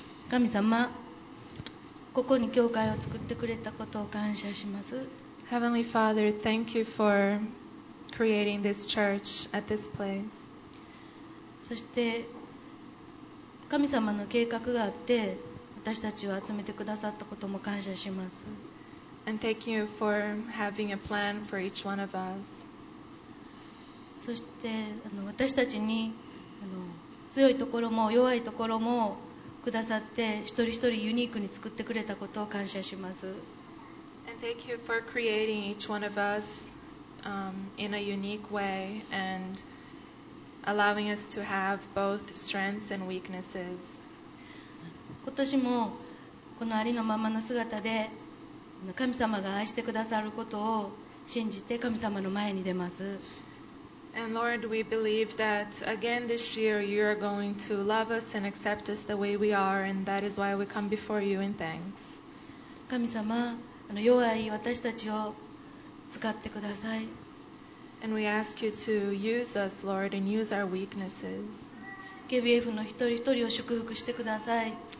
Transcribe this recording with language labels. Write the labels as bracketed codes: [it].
[ja] 神様、ここに教会を作ってくれたことを感謝します。 [en] Heavenly Father, thank you for creating this church at this place. [ja] そして神様の計画があって私たちを集めてくださったことも感謝します。 [en] And thank you for having a plan for each one of us. [ja] そして私たちに強いところも弱いところもくださって一人一人ユニークに作ってくれたことを感謝します。 [en] And thank you for creating each one of us、in a unique way and allowing us to have both strengths and weaknesses. [ja] 今年もこのありのままの姿で神様が愛してくださることを信じて神様の前に出ます。 [en] And Lord, we believe that again this year you are going to love us and accept us the way we are, and that is why we come before you in thanks. [ja] 神様、弱い私たちを使ってください。 [en] And we ask you to use us, Lord, and use our weaknesses. [ja] KBF の一人一人を祝福してください。